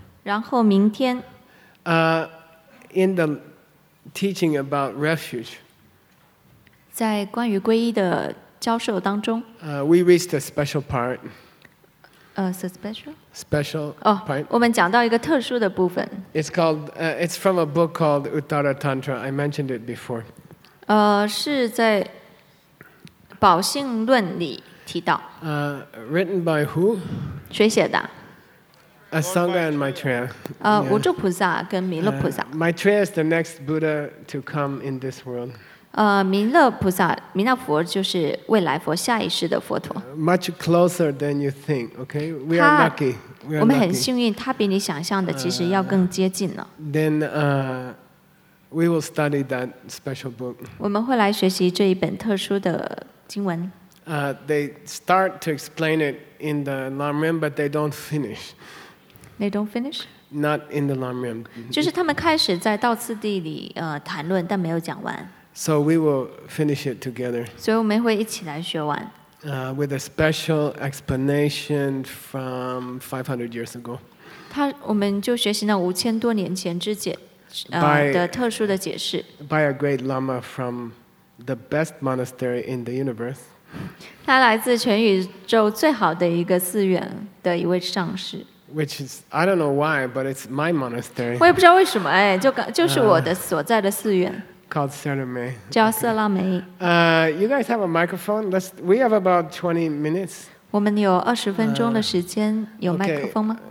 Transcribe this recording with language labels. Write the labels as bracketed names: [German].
[Chinese] 然后明天。 [English] In the teaching about refuge. [Chinese] 在关于皈依的教授当中。 [English] We reached a special part. So special? Special part. [Chinese] 我们讲到一个特殊的部分。 [English] It's called, it's from a book called Uttara Tantra. I mentioned it before. [Chinese] 是在宝性论里提到。 [English] Written by who? [Chinese] 谁写的 [English] ？A Sangha and Maitreya. [Chinese] 无著菩萨跟弥勒菩萨。 [English] Maitreya is the next Buddha to come in this world. [Chinese] 弥勒菩萨，弥勒佛就是未来佛，下一世的佛陀。 [English] Much closer than you think. Okay, we are lucky. [Chinese] 我们很幸运，他比你想象的其实要更接近了。 [English] Then we will study that special book. [Chinese] 我们会来学习这一本特殊的经文。 [English] They start to explain it in the Lamrim, but they don't finish. They don't finish? Not in the Lamrim. [Chinese] 就是他们开始在道次第里谈论，但没有讲完。 [English] So we will finish it together. [Chinese] 所以我们会一起来学完。 [English] With a special explanation from 500 years ago. [Chinese] 他我们就学习那五千多年前之解的特殊的解释。 [English] By a great Lama from the best monastery in the universe. [Chinese] 他来自全宇宙最好的一个寺院的一位上师。 [English] Which is I don't know why, but it's my monastery. [Chinese] 我也不知道为什么哎，就是我的所在的寺院。 [English] Called Serame. [Chinese] 叫色拉梅。 [English] You guys have a microphone? We have about 20 minutes. [Chinese] 我们有二十分钟的时间，有麦克风吗